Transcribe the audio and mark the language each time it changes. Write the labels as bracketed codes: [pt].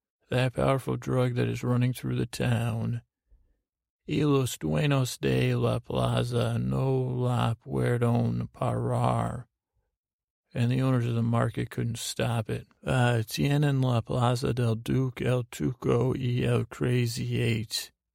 [en] That powerful drug that is running through the town. [es] Y los dueños de la plaza no la pueden parar. [en] And the owners of the market couldn't stop it. [es] Tienen la plaza del Duque, el Tuco y el Crazy Eight.